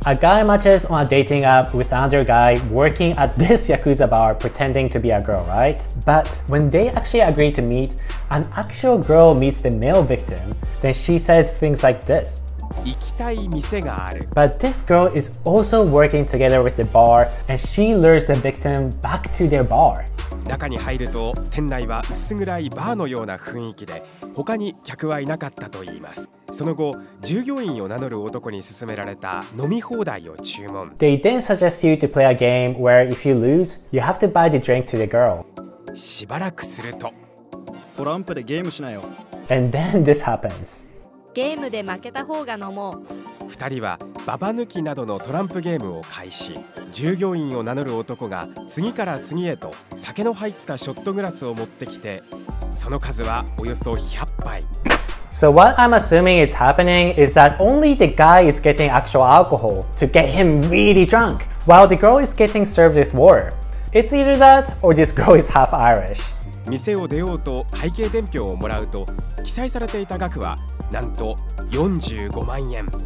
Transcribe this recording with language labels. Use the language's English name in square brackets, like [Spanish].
[English] A guy matches on a dating app with another guy working at this Yakuza bar pretending to be a girl, right? But when they actually agree to meet, an actual girl meets the male victim, then she says things like this. [Japanese] 行きたい店がある。 [English] But this girl is also working together with the bar, and she lures the victim back to their bar. [Japanese] 中に入ると店内は薄暗いバーのような雰囲気で、他に客はいなかったと言います。その後、従業員を名乗る男に勧められた飲み放題を注文。 [English] They then suggest you to play a game where if you lose, you have to buy the drink to the girl. [Japanese] しばらくすると、トランプでゲームしなよ。 [English] And then this happens. [Japanese] ゲームで負けた方が飲もう 2人はババ抜きなどのトランプゲームを開始従業員を名乗る男が次から次へと酒の入ったショットグラスを持ってきてその数はおよそ100杯 [English] So what I'm assuming is happening is that only the guy is getting actual alcohol to get him really drunk while the girl is getting served with water It's either that or this girl is half Irish [Japanese] 店を出ようと会計伝票をもらうと記載されていた額はなんと45万円